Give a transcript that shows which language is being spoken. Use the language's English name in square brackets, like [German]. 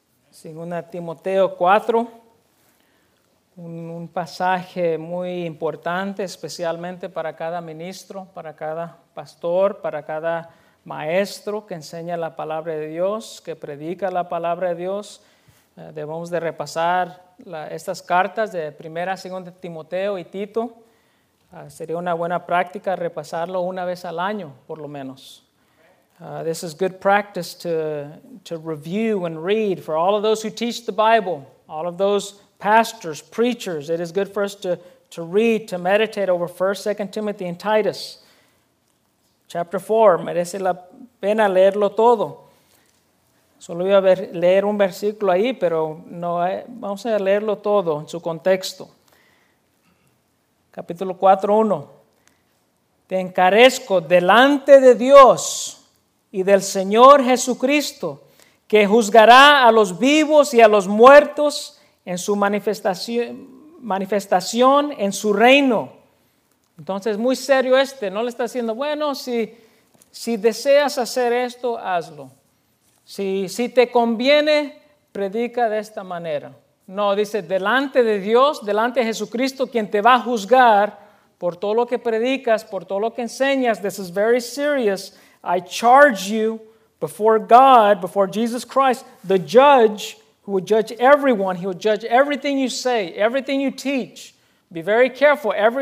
[Spanish] Segunda Timoteo 4. Un pasaje muy importante, especialmente para cada ministro, para cada pastor, para cada maestro que enseña la palabra de Dios, que predica la palabra de Dios. Debemos de repasar estas cartas de Primera, Segunda Timoteo y Tito. Sería una buena práctica repasarlo una vez al año, por lo menos. [English] This is good practice to review and read for all of those who teach the Bible, all of those pastors, preachers. It is good for us to read, to meditate over 1, 2 Timothy and Titus. Chapter 4, [Spanish] merece la pena leerlo todo. Solo iba a leer un versículo ahí, pero no, vamos a leerlo todo en su contexto. Capítulo 4:1. Te encarezco delante de Dios y del Señor Jesucristo, que juzgará a los vivos y a los muertos en su manifestación en su reino. Entonces, muy serio este. No le está diciendo, bueno, si deseas hacer esto, hazlo. Si te conviene, predica de esta manera. No, dice, delante de Dios, delante de Jesucristo, quien te va a juzgar por todo lo que predicas, por todo lo que enseñas. [English] This is very serious. I charge you before God, before Jesus Christ, the judge who will judge everyone. He will judge everything you say, everything you teach. Be very careful.